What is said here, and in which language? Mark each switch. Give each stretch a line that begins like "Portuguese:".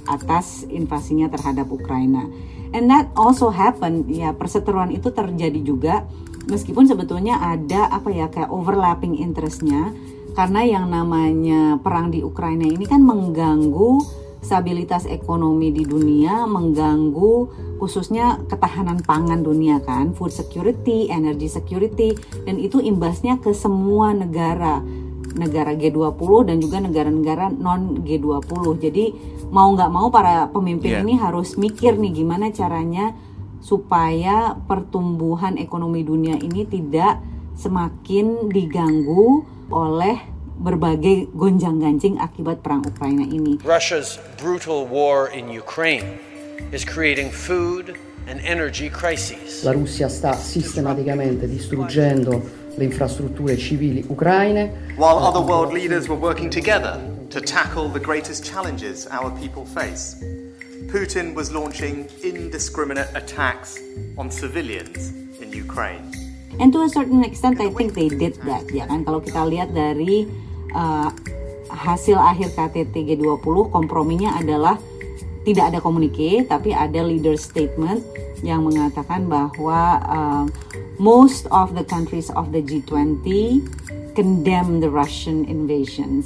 Indonesian: Atas invasinya terhadap Ukraina.
English: And that also happened,
Indonesian: ya, perseteruan itu terjadi juga meskipun sebetulnya ada apa ya kayak overlapping interest-nya, karena yang namanya perang di Ukraina ini kan mengganggu stabilitas ekonomi di dunia, mengganggu khususnya ketahanan pangan dunia kan,
English: food security, energy security,
Indonesian: dan itu imbasnya ke semua negara, negara G20 dan juga negara-negara non G20. Jadi mau nggak mau para pemimpin ini harus mikir nih gimana caranya supaya pertumbuhan ekonomi dunia ini tidak semakin diganggu oleh berbagai gonjang-ganjing akibat perang Ukraina ini.
English: Russia's brutal war in Ukraine is creating food and energy crises.
Italian: La Russia sta sistematicamente distruggendo le infrastrutture civili ucraine.
English: While other world leaders were working together to tackle the greatest challenges our people face, Putin was launching indiscriminate attacks on civilians in Ukraine. And to a certain extent, I think they did that,
Indonesian: ya kan? Kalau kita lihat dari hasil akhir KTT G20, komprominya adalah tidak ada komunike, tapi ada leader statement yang mengatakan bahwa
English: most of the countries of the G20 condemn the Russian invasion.